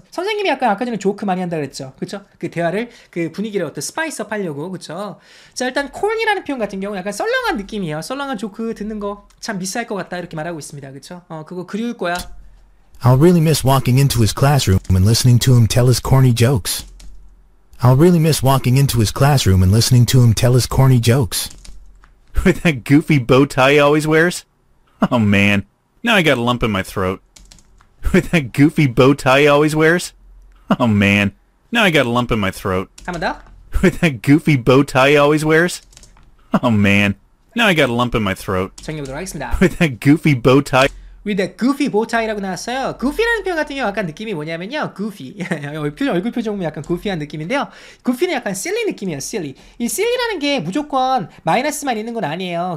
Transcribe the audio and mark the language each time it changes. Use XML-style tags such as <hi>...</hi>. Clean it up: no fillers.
<ko>선생님이 약간 아까 전에 조크 많이 한다 그랬죠, 그렇죠? 그 대화를 그 분위기를 어떤 스파이스업 하려고, 그렇죠? 자, 일단 corny라는 표현 같은 경우 약간 썰렁한 느낌이에요. 썰렁한 조크 듣는 거 참 미스할 것 같다 이렇게 말하고 있습니다, 그렇죠? 그거 그리울 거야.</ko> <en>I'll really miss walking into his classroom and listening to him tell his corny jokes. I'll really miss walking into his classroom and listening to him tell his corny jokes. With that goofy bow tie he always wears? Oh man, now I got a lump in my throat. With that goofy bow tie he always wears? Oh man, now I got a lump in my throat.</en> <ko>한번 더.</ko> <en>With that goofy bow tie he always wears? Oh man, now I got a lump in my throat.</en> <ko>정리해보도록 하겠습니다.</ko> <en>With that goofy bow tie... With that goofy bow tie</en> <ko>라고 나왔어요. Goofy라는 표현 같은 경우 약간 느낌이 뭐냐면요. Goofy. 얼굴 표정 보면 약간 goofy한 느낌인데요. Goofy는 약간 silly 느낌이에요. Silly. 이 silly라는 게 무조건 마이너스만 있는 건 아니에요.</ko>